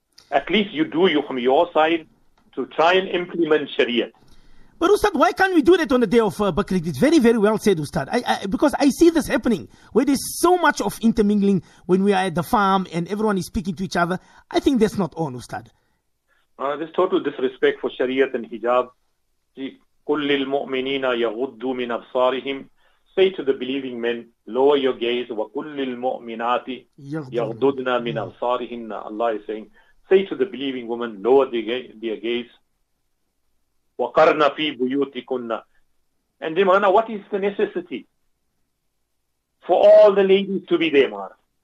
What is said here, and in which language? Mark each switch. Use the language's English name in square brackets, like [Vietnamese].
[English] At least you do from your side to try and implement Sharia. But Ustad, why can't we do that on the day of Bakr Eid? It's very, very well said, Ustad. Because I see this happening, where there's so much of intermingling when we are at the farm and everyone is speaking to each other. I think that's not on, Ustad. There's total disrespect for Sharia and hijab. See, [Arabic] قُلْ لِلْمُؤْمِنِينَ يَغُدُّوا مِنْ أَبْصَارِهِمْ. [English] Say to the believing men, lower your gaze. [Arabic] وَقُلْ لِلْمُؤْمِنَاتِ يَغْدُدْنَا مِنْ أَبْصَارِهِنَّ. [English] Allah is saying, say to the believing woman, lower their gaze. [Arabic] وَقَرْنَ فِي بُيُوتِكُنَّ. [English] And then, Marana, what is the necessity for all the ladies to be there, Marana?